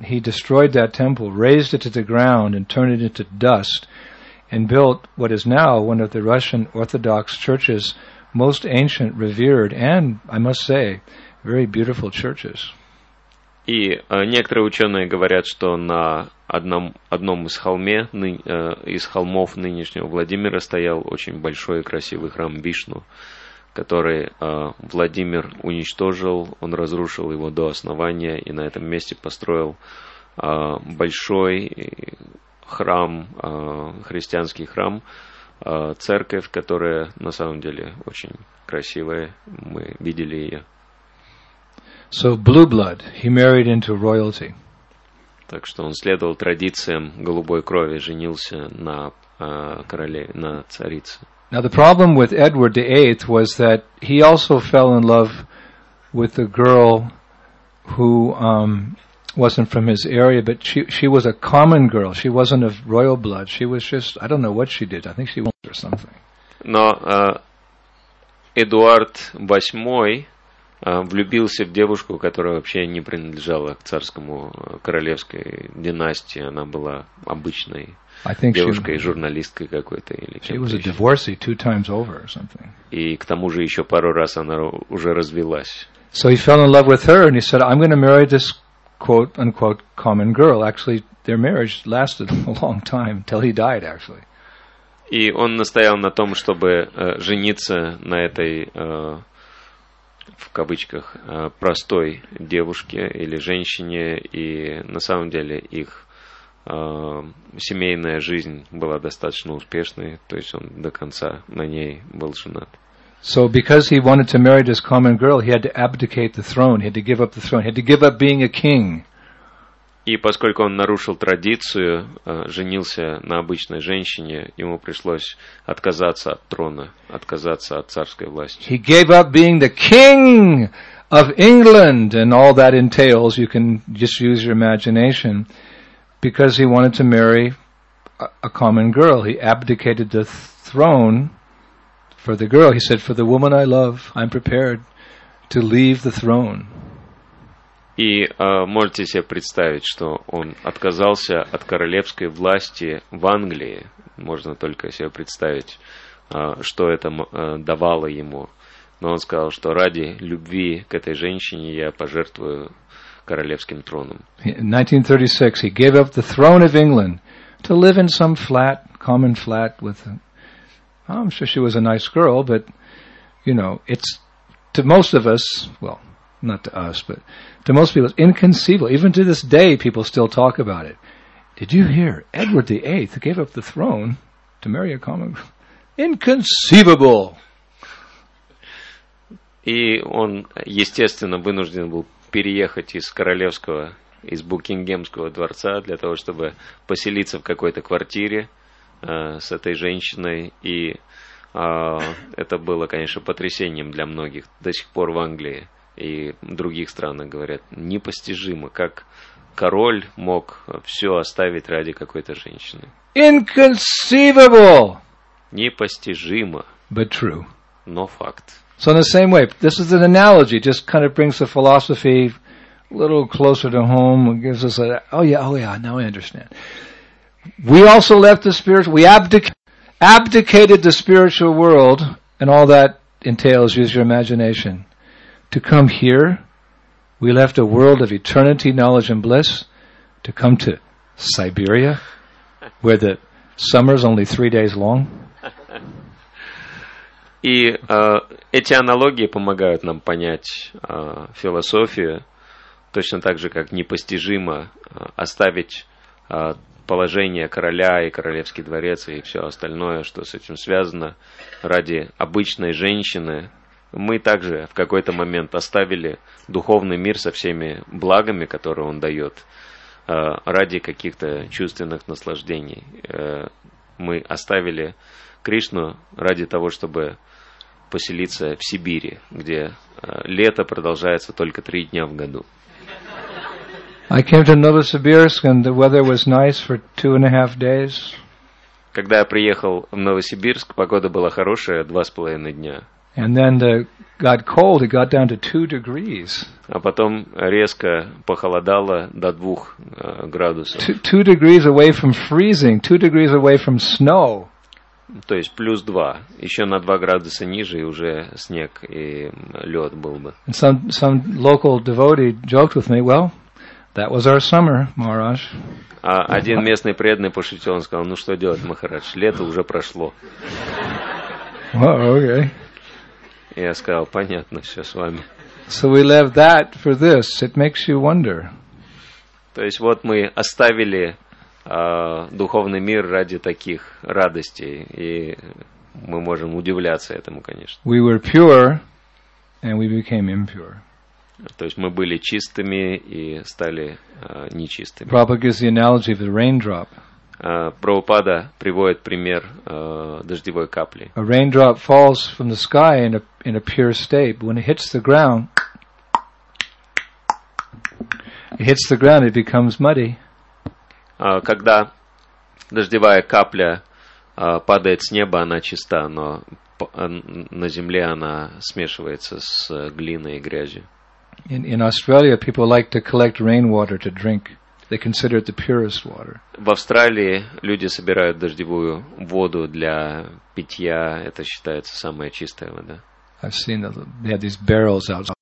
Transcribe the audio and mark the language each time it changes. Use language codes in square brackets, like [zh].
[en] He destroyed that temple, razed it to the ground and turned it into dust, and built what is now one of the Russian Orthodox Church's most ancient, revered, and, I must say, very beautiful churches. [ru] И некоторые ученые говорят, что на одном из холме, из холмов нынешнего Владимира стоял очень большой и красивый храм Вишну, который Владимир уничтожил, он разрушил его до основания и на этом месте построил большой храм, христианский храм, церковь, которая на самом деле очень красивая, мы видели ее. [en] So blue blood, he married into royalty. [ru] Так что он следовал традициям голубой крови, женился на короле, на царице. [en] Now the problem with Edward VIII was that he also fell in love with a girl who wasn't from his area, but she was a common girl. She wasn't of royal blood. She was just, I don't know what she did. I think she was or something. [ru] Но Эдуард VIII влюбился в девушку, которая вообще не принадлежала к царскому королевской династии. Она была обычной девушкой, журналисткой какой-то или чем-то. [en] She was a divorcee two times over or something. [ru] И к тому же еще пару раз она уже развелась. [en] So he fell in love with her and he said, I'm going to marry this quote unquote common girl. Actually, their marriage lasted a long time till he died, actually. [ru] И он настоял на том, чтобы жениться на этой в кавычках, простой девушке или женщине, и на самом деле их семейная жизнь была достаточно успешной, то есть он до конца на ней был женат. [en] So because he wanted to marry this common girl, he had to abdicate the throne, he had to give up the throne, he had to give up being a king. [ru] И поскольку он нарушил традицию, женился на обычной женщине, ему пришлось отказаться от трона, отказаться от царской власти. [en] He gave up being the king of England and all that entails, you can just use your imagination, because he wanted to marry a common girl. He abdicated the throne for the girl. He said, for the woman I love, I'm prepared to leave the throne. [ru] И можете себе представить, что он отказался от королевской власти в Англии. Можно только себе представить, что это давало ему. Но он сказал, что ради любви к этой женщине я пожертвую королевским троном. [en] In 1936 he gave up the throne of England to live in some flat, common flat with a, I'm sure she was a nice girl, but you know, it's to most of us, well, not to us, but to most people, it's inconceivable. Even to this day, people still talk about it. Did you hear? Edward VIII gave up the throne to marry a common... Inconceivable! [ru] И он, естественно, вынужден был переехать из королевского, из Букингемского дворца для того, чтобы поселиться в какой-то квартире с этой женщиной. И это было, конечно, потрясением для многих до сих пор в Англии. И в других странах говорят, непостижимо, как король мог все оставить ради какой-то женщины. [en] Inconceivable! [ru] Непостижимо. [en] But true. [ru] Но факт. [en] So in the same way, this is an analogy, just kind of brings the philosophy a little closer to home, gives us a, oh yeah, now I understand. We also left the spiritual, we abdicated the spiritual world, and all that entails, use your imagination. To come here, we left a world of eternity, knowledge, and bliss to come to Siberia, where the summer's only 3 days long. [ru] И эти аналогии помогают нам понять философию, точно так же, как непостижимо оставить положение короля и королевский дворец и все остальное, что с этим связано, ради обычной женщины. Мы также в какой-то момент оставили духовный мир со всеми благами, которые он дает, ради каких-то чувственных наслаждений. Мы оставили Кришну ради того, чтобы поселиться в Сибири, где лето продолжается только 3 дня в году. [en] I came to Novosibirsk and the weather was nice for 2.5 days. [ru] Когда я приехал в Новосибирск, погода была хорошая 2.5 дня. [en] And then the got cold, it got down to 2 degrees. [ru] А потом резко похолодало до 2 градусов. [en] Two degrees away from freezing, 2 degrees away from snow. [ru] То есть плюс 2, еще на 2 градуса ниже, и уже снег и лед был бы. [en] And some local devotee joked with me, well, that was our summer, Maharaj. [ru] А один местный преданный пошутил, он сказал, ну что делать, Махарадж, лето уже прошло. [en] Well, okay. [ru] Я сказал, понятно, все с вами. [en] So we left that for this, it makes you wonder. [ru] То есть вот мы оставили духовный мир ради таких радостей, и мы можем удивляться этому, конечно. [en] We were pure, and we became impure. [ru] То есть мы были чистыми и стали нечистыми. [en] Prabhupada gives the analogy of the raindrop. [ru] Прабхупада приводит пример дождевой капли. [en] A raindrop falls from the sky in a pure state, but when it hits the ground, it becomes muddy. [ru] Когда дождевая капля падает с неба, она чиста, но на земле она смешивается с глиной и грязью. [en] In Australia, people like to collect rainwater to drink. They consider it the purest water. [ru] В Австралии люди собирают дождевую воду для питья. Это считается самая чистая вода. [en] I've seen that they have these barrels outside.